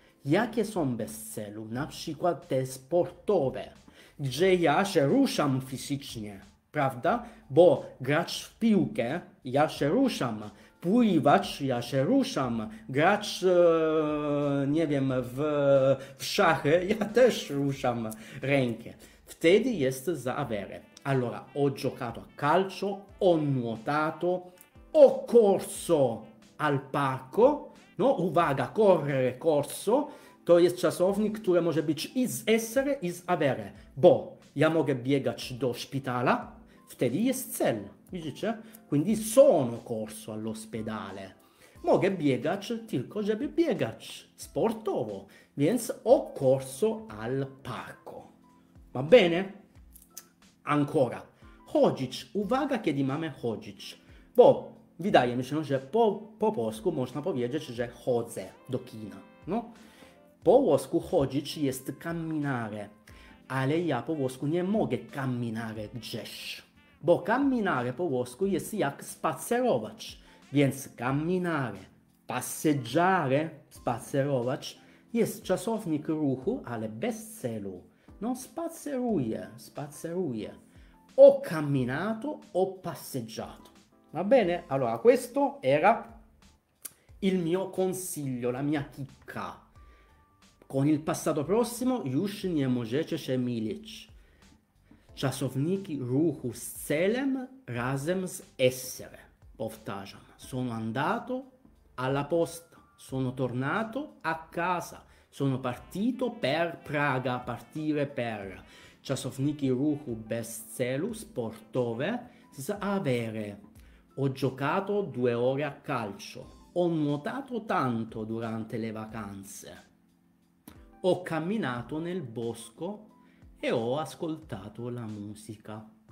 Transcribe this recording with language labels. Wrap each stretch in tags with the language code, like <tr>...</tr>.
<pl>Jakie są bez celu? Na przykład te sportowe, gdzie ja się ruszam fizycznie, prawda? Bo grać w piłkę, ja się ruszam. Pływać, ja się ruszam. Grać, nie wiem, w szachy, ja też ruszam rękę. Wtedy jest za avere.</pl> <it>Allora, ho giocato a calcio, ho nuotato, ho corso al parco.</it> <pl>No, uwaga, correre, corso, to jest czasownik, który może być i z essere, i z avere. Bo ja mogę biegać do szpitala, wtedy jest cel. Widzicie?</pl> <it>Quindi sono corso all'ospedale.</it> <pl>Mogę biegać tylko, żeby biegać sportowo. Więc</pl> <it>ho corso al parco. Va bene? Ancora.</it> <pl>Chodzić. Uwaga, kiedy mamy chodzić. Bo wydaje mi się, że po polsku można powiedzieć, że chodzę do kina. No? Po włosku chodzić jest camminare. Ale ja po włosku nie mogę camminare gdzieś. Bo camminare po włosku jest jak spacerować. Więc camminare, passeggiare, spacerować jest czasownik ruchu, ale bez celu. No, spaceruje, spaceruje.</pl> <it>Ho camminato, ho passeggiato. Va bene? Allora, questo era il mio consiglio, la mia chicca. Con il passato prossimo,</it> <pl>już nie możecie się milić. Czasowniki ruchu z celem razem z essere. Powtarzam.</pl> <it>Sono andato alla posta. Sono tornato a casa. Sono partito per Praga. Partire per.</it> <pl>Czasowniki ruchu bez celu sportowe z avere.</pl> <it>Ho giocato 2 ore a calcio. Ho nuotato tanto durante le vacanze. Ho camminato nel bosco. E ho ascoltato la musica.</it>